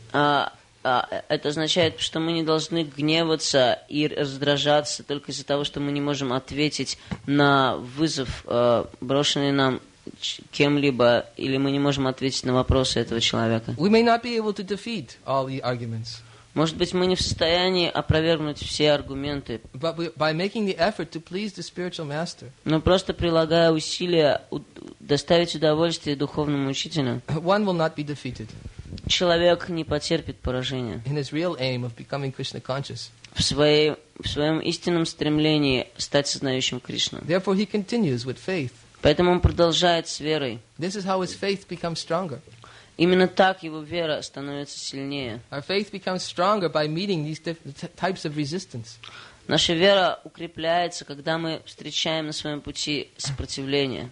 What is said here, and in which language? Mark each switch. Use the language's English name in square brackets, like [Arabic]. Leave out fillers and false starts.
[Russian] Это означает, что мы не должны гневаться и раздражаться только из-за того, что мы не можем ответить на вызов, брошенный нам кем-либо, или мы не можем ответить на вопросы этого человека. [English] We may not be able to defeat all the arguments. [Russian] Может быть, мы не в состоянии опровергнуть все аргументы. [English] But by making the effort to please the spiritual master. [Russian] Но просто прилагая усилия доставить удовольствие духовному учителю, [English] one will not be defeated. [Russian] Человек не потерпит поражения. [English] In his real aim of becoming Krishna conscious. [Russian] В своем истинном стремлении стать сознающим Кришну. [English] Therefore, he continues with faith. [Russian] Поэтому он продолжает с верой. [English] This is how his faith becomes stronger. [Russian] Именно так его вера становится сильнее. [English] Our faith becomes stronger by meeting these different types of resistance. [Russian] Наша вера укрепляется, когда мы встречаем на своем пути сопротивление.